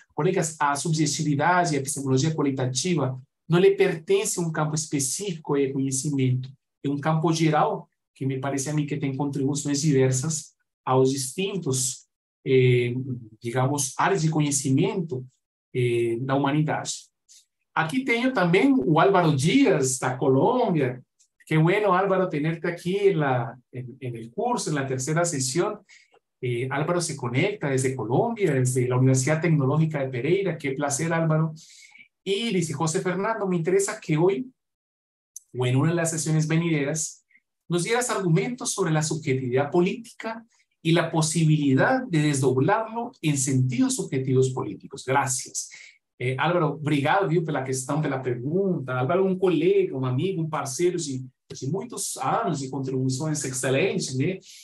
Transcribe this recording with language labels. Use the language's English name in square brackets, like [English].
[Portuguese] Colegas, a subjetividade e a epistemologia qualitativa não lhe pertence a um campo específico de conhecimento, é um campo geral que me parece a mim que tem contribuições diversas aos distintos, digamos, áreas de conhecimento da humanidade. Aqui tenho também o Álvaro Dias, da Colômbia. [Spanish] Que bueno, Álvaro, tenerte aqui en el curso, en la tercera sesión. Álvaro se conecta desde Colômbia, desde la Universidad Tecnológica de Pereira. Qué placer, Álvaro. Y dice, José Fernando, me interesa que hoy, o en una de las sesiones venideras, nos dieras argumentos sobre la subjetividad política y la posibilidad de desdoblarlo en sentidos subjetivos políticos. Gracias. [Portuguese] Álvaro, obrigado, viu, pela questão, pela pergunta. Álvaro, um colega, um amigo, um parceiro de muitos anos de contribuições excelentes, né?